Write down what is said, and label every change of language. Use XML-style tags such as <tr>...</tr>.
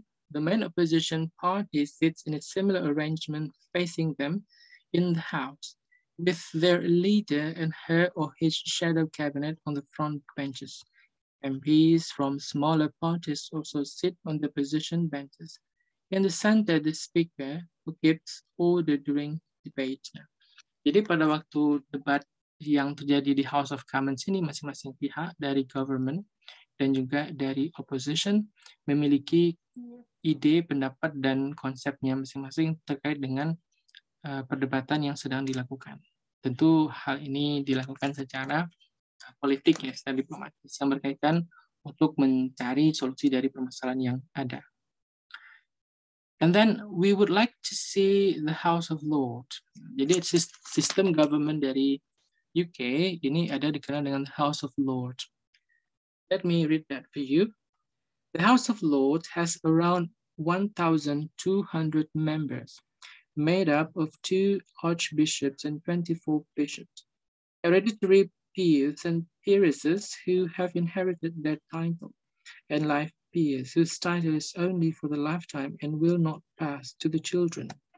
<en>The main opposition party sits in a similar arrangement facing them in the House, with their leader and her or his shadow cabinet on the front benches. MPs from smaller parties also sit on the opposition benches. In the center, the speaker who keeps order during debate.</en> <id>Jadi pada waktu debat yang terjadi di House of Commons ini, masing-masing pihak dari government dan juga dari opposition memiliki ide, pendapat, dan konsepnya masing-masing terkait dengan perdebatan yang sedang dilakukan. Tentu hal ini dilakukan secara politik, ya, secara diplomatis, yang berkaitan untuk mencari solusi dari permasalahan yang ada.</id> <en>And then we would like to see the House of Lords.</en> <id>Jadi sistem government dari UK ini ada dikenal dengan House of Lords.</id> <en>Let me read that for you. The House of Lords has around 1,200 members, made up of two archbishops and 24 bishops. Hereditary peers and peeresses who have inherited their title, and life peers whose title is only for the lifetime and will not pass to the children.</en>